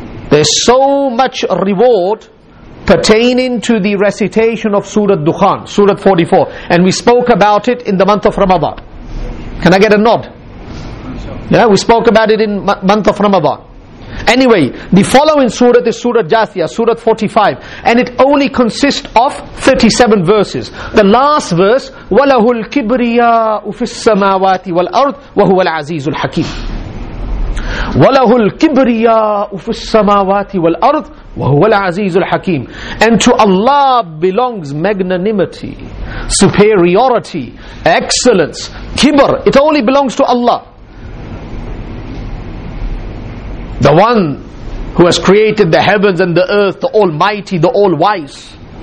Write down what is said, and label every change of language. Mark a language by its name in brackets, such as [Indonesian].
[English] There's so much reward pertaining to the recitation of Surah Dukhan, Surah 44. And we spoke about it in the month of Ramadan. Can I get a nod? Yeah, we spoke about it in month of Ramadan. Anyway, the following surah is Surah Jathiyah, Surah 45. And it only consists of 37 verses. [Arabic] The last verse, وَلَهُ الْكِبْرِيَاءُ فِي السَّمَاوَاتِ وَالْأَرْضِ وَهُوَ الْعَزِيزُ الْحَكِيمُ وَلَهُ الْكِبْرِيَاءُ فِي السَّمَاوَاتِ وَالْأَرْضِ وَهُوَ الْعَزِيزُ الْحَكِيمُ [English] And to Allah belongs magnanimity, superiority, excellence, kibr. It only belongs to Allah. The one who has created the heavens and the earth, the Almighty, the All-Wise.